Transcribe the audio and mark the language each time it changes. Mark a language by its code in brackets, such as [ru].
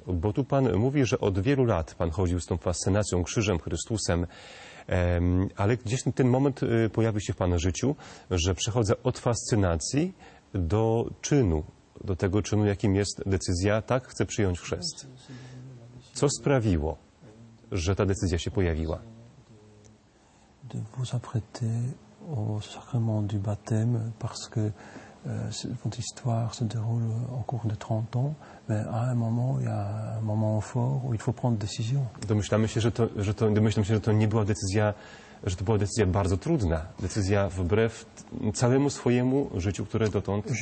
[pl] Bo tu pan mówi, że od wielu lat pan chodził z tą fascynacją krzyżem, Chrystusem, ale gdzieś ten moment pojawił się w pana życiu, że przechodzę od fascynacji do czynu, do tego czynu, jakim jest decyzja, tak, chcę przyjąć chrzest. Co sprawiło, że ta decyzja się pojawiła? [fr] De vous apprêter au sacrement du baptême, parce que votre histoire se déroule au cours de 30 ans, mais à un moment, il y a un moment fort où il faut prendre décision. [pl] Domyślam się, że to nie była decyzja, że to była decyzja bardzo trudna, decyzja wbrew całemu swojemu życiu, które dotąd.